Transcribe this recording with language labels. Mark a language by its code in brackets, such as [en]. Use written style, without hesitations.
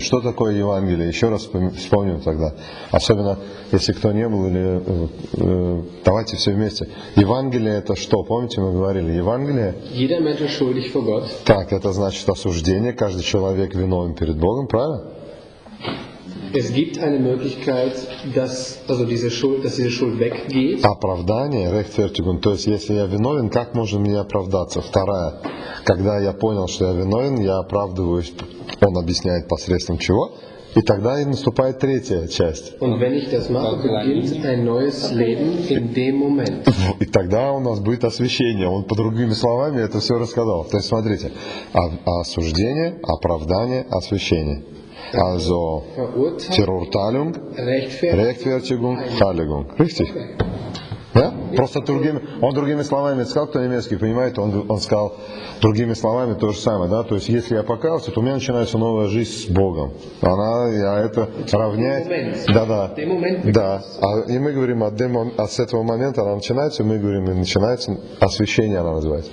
[ru] Что такое Евангелие? Еще раз вспомним тогда. Особенно, если кто не был, или давайте все вместе. Евангелие это что? Помните, мы говорили? Евангелие. Так, это значит осуждение. Каждый человек виновен перед Богом, правильно? [de] Es gibt eine Möglichkeit, dass also diese Schuld, dass diese Schuld weggeht. [ru] Оправдание, Rechtfertigung. То есть, если я виновен, как можно мне оправдаться? Вторая. Когда я понял, что я виновен, я оправдываюсь. Он объясняет посредством чего? И тогда и наступает третья часть. [de] Und wenn ich das mache, beginnt ein neues Leben in dem Moment. [ru] И тогда у нас будет освящение. Он по другими словами это все рассказал. То есть, смотрите, осуждение, оправдание, освящение. [de] Also, Verurteilung, Rechtfertigung, Heiligung. Richtig? Ja? [ru] Просто другими, он другими словами сказал, кто немецкий понимает, он сказал другими словами то же самое, да? То есть, если я покаялся, то у меня начинается новая жизнь с Богом. Она, я это равняет... Да-да. Да. А, и мы говорим, а с этого момента она начинается, мы говорим, и начинается освящение, она называется.